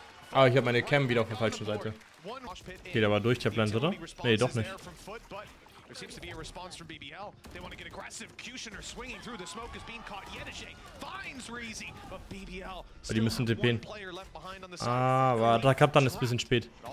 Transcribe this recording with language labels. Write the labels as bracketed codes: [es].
[de] Ah, ich habe meine Cam wieder auf der falschen Seite. Geht aber durch, Taplans, oder? Nee, doch nicht. [en] There seems to be a response from BBL. They want to get aggressive. Kushiner swinging through. The smoke is being caught. Yedige finds Reezy, but BBL still has one player left behind on the side. [de] Ah, aber da kam dann ein bisschen spät.